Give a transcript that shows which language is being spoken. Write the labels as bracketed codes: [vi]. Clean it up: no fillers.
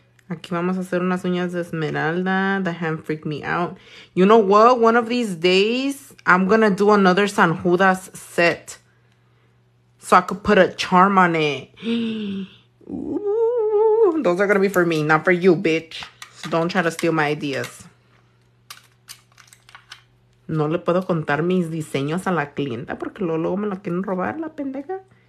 [es] Aquí vamos a hacer unas uñas de esmeralda. [en] The hand freaked me out. You know what? One of these days, I'm gonna do another San Judas set so I could put a charm on it. Ooh, those are gonna be for me, not for you, bitch. So don't try to steal my ideas. [es] No le puedo contar mis diseños a la clienta porque luego me la quieren robar, la pendeja.